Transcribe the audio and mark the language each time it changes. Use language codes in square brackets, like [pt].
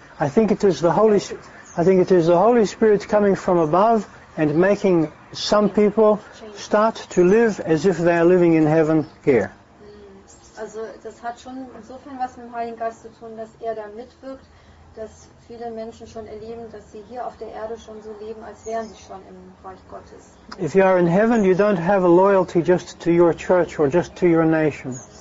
[en] I think it is the Holy Spirit coming from above, and making some people start to live as if they are living in heaven here. [de] Also, das hat schon insofern was mit dem Heiligen Geist zu tun, dass da mitwirkt, dass viele Menschen schon erleben, dass sie hier auf der Erde schon so leben, als wären sie schon im Reich Gottes. [en] If you are in heaven, you don't have a loyalty just to your church or just to your nation.